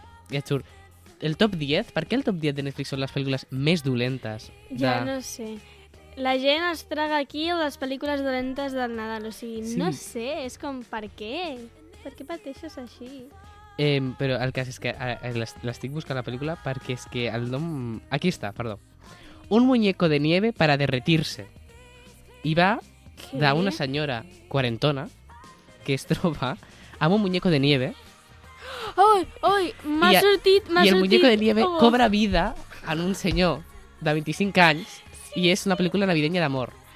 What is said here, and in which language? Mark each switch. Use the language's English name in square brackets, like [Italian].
[Catalan] I et surt el top 10. Per què el top 10 de Netflix són les pel·lícules més dolentes? Ja no sé. La gent es traga aquí les pel·lícules dolentes del Nadal, o sigui, no sé, és com, per què? Per què pateixes així? Però el cas és que l'estic buscant la pel·lícula perquè és que el nom... Aquí està, perdó. [Spanish] Un muñeco de nieve para derretirse. [Catalan] I va d'una senyora quarentona que es troba amb un [Spanish] muñeco de nieve. [Catalan] Ai, m'ha sortit, m'ha sortit. I el [Spanish] muñeco de nieve [Catalan] cobra vida en un senyor de 25 anys... I és una pel·lícula [Spanish] navideña [Catalan] d'amor.